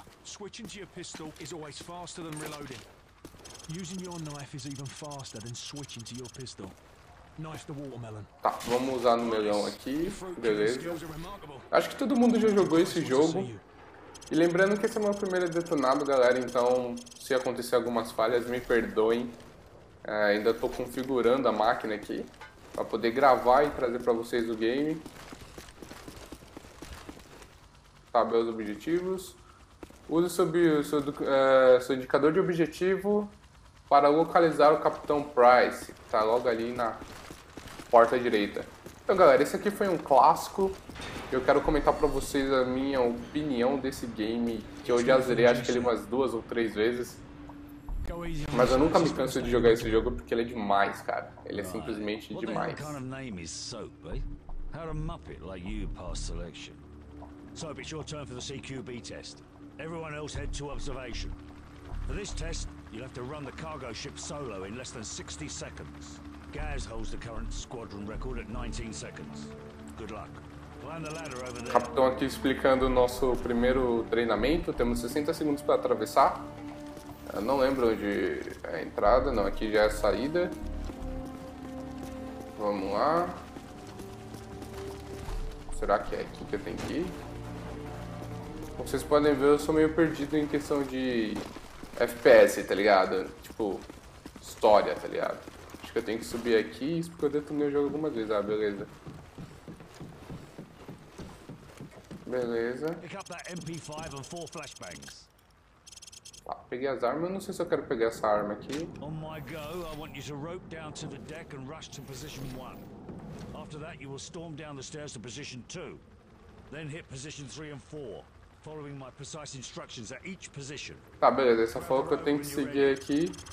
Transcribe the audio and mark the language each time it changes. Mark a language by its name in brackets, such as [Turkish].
[English] Switching to your pistol is always faster than reloading. Using your knife is even faster than switching to your pistol. Knife the watermelon. [Portuguese] Tá, vamos usar no melão aqui. Beleza. Acho que todo mundo já jogou esse jogo. E lembrando que esse é o meu primeiro detonado, galera, então se acontecer algumas falhas, me perdoem. Ainda estou configurando a máquina aqui, para poder gravar e trazer para vocês o game. Sabe os objetivos. Use seu indicador de objetivo para localizar o Capitão Price, que está logo ali na porta direita. Então, galera, esse aqui foi um clássico. Eu quero comentar pra vocês a minha opinião desse game, que eu já zerei acho que ele umas duas ou três vezes. Mas eu nunca me canso de jogar esse jogo porque ele é demais, cara. Ele é simplesmente demais. Qual é o seu nome, Soap? Como um Muppet como você passou a seleção? Soap, é sua turn para o CQB test. Todo mundo vai para a observação. Para esse teste, você vai ter que correr o cargo ship solo em menos de 60 segundos. [English] Gaz holds the current squadron record at 19 seconds. Good luck. [Portuguese] Capitão aqui explicando o nosso primeiro treinamento. Temos 60 segundos para atravessar. Eu não lembro onde é a entrada. Não, aqui já é a saída. Vamos lá. Será que é aqui que eu tenho que ir? Como vocês podem ver, eu sou meio perdido em questão de FPS, tá ligado? Tipo, história, tá ligado? Acho que eu tenho que subir aqui. Isso porque eu detonei o jogo algumas vezes. Ah, beleza. Beleza. [English] Pick up that MP5 and four flashbangs. [Portuguese] Tá, peguei as armas, eu não sei se eu quero pegar essa arma aqui. [English] On my go, I want you to rope down to the deck and rush to position 1. After that, you will storm down the stairs to position 2. Then hit position 3 and 4, following my precise instructions at each position. [Portuguese] Tá, beleza, essa foi o que eu tenho que seguir aqui.